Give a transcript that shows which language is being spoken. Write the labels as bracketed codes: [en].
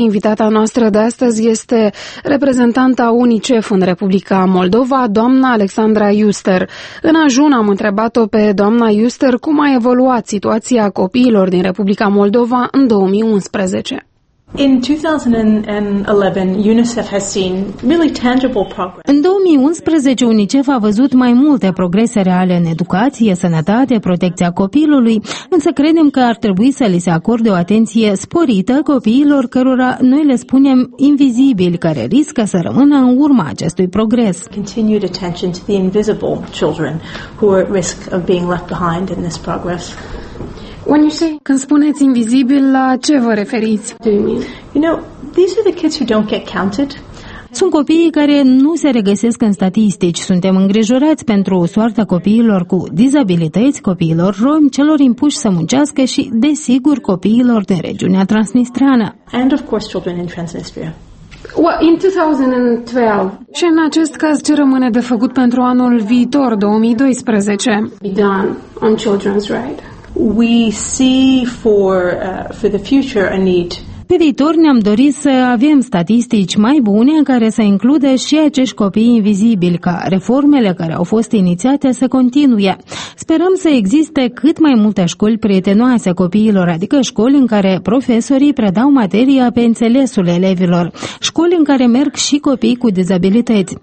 [ro] Invitata noastră de astăzi este reprezentanta UNICEF în Republica Moldova, doamna Alexandra Iuster. În ajun am întrebat-o pe doamna Iuster cum a evoluat situația copiilor din Republica Moldova în 2011. [en] In 2011, UNICEF has seen really tangible progress. [ro] În 2011, UNICEF a văzut mai multe progrese reale în educație, sănătate, protecția copilului, însă credem că ar trebui să li se acorde o atenție sporită copiilor cărora noi le spunem invizibili, care riscă să rămână în urma acestui progres. [en] Continued attention to the invisible children who are at risk of being left behind in this progress. [ro] Când spuneți invizibil, la ce vă referiți? [en] You know, these are the kids who don't get counted. [ro] Sunt copiii care nu se regăsesc în statistici. Suntem îngrijorați pentru soarta copiilor cu dizabilități, copiilor romi, celor impuși să muncească și, desigur, copiilor din regiunea transnistreană. [en] And of course children in Transnistria. Well, in 2012. [ro] Și în acest caz, ce rămâne de făcut pentru anul viitor, 2012? [en] Be done on children's right. We see for the future a need. [ro] Pe viitor ne-am dorit să avem statistici mai bune în care să includă și acești copii invizibili, ca reformele care au fost inițiate să continue. Sperăm să existe cât mai multe școli prietenoase copiilor, adică școli în care profesorii predau materia pe înțelesul elevilor, școli în care merg și copii cu dizabilități.